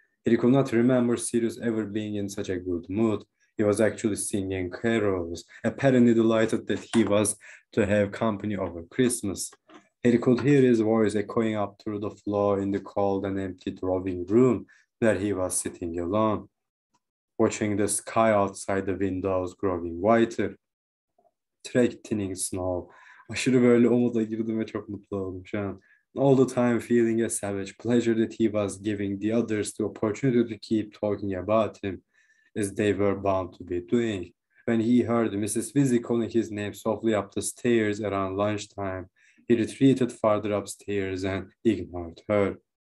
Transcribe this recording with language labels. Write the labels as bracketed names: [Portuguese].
[English] He could not remember Sirius ever being in such a good mood. He was actually singing carols, apparently delighted that he was to have company over Christmas. Harry could hear his voice echoing up through the floor in the cold and empty drawing room where he was sitting alone, watching the sky outside the windows growing whiter, threatening snow. [Turkish] Aşırı böyle umuda girdim ve çok mutlu oldum şu an. [English] All the time feeling a savage pleasure that he was giving the others the opportunity to keep talking about him, as they were bound to be doing. When he heard Mrs. Weasley calling his name softly up the stairs around lunchtime, he retreated farther upstairs and ignored her.